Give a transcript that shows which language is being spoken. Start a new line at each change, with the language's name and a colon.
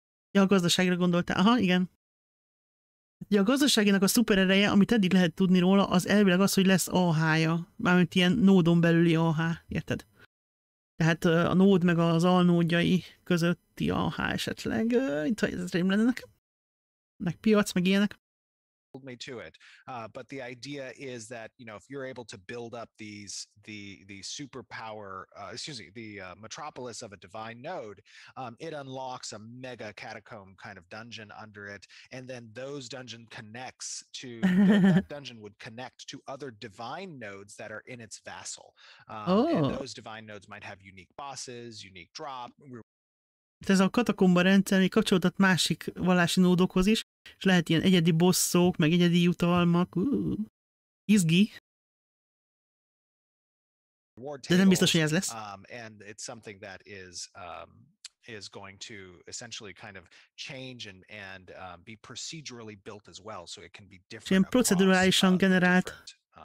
Hungarian: Ja, a gazdaságra gondoltál. Aha, igen. Ugye a gazdaságnak a szuper ereje, amit eddig lehet tudni róla, az elvileg az, hogy lesz AH-ja, mármint ilyen nódon belüli AH, érted? Tehát a nód meg az alnódjai közötti AH esetleg, itt vagy ez rém lenne nekem, meg piac, meg ilyenek.
English: Hold me to it. But the idea is that, you know, if you're able to build up these the superpower, metropolis of a divine node, it unlocks a mega catacomb kind of dungeon under it, and then those dungeon connects to that dungeon would connect to other divine nodes that are in its vassal. And those divine nodes might have unique bosses, unique drop.
Hungarian: Ez a katakomba rendszer, ami kapcsolódott másik vallási nódokhoz is, és lehet ilyen egyedi bosszok, meg egyedi jutalmak. Izgi. De nem biztos, hogy ez lesz.
English: And it's something that is going to essentially kind of change and be procedurally built as well, so it can be different.
Hungarian: Ilyen procedurálisan generált.